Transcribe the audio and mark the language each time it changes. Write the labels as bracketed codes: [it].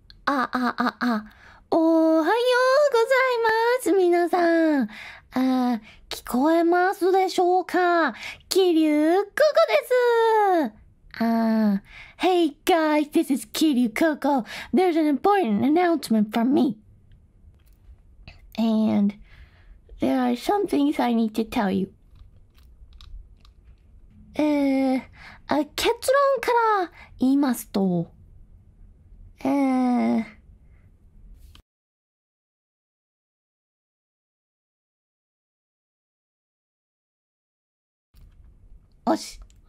[ja] おはようございます、皆さん。聞こえますでしょうか？キリュウココです。 [en] Hey guys, this is キリュウココ。 There's an important announcement from me. And there are some things I need to tell you. [ja] 結論から言いますと、よし。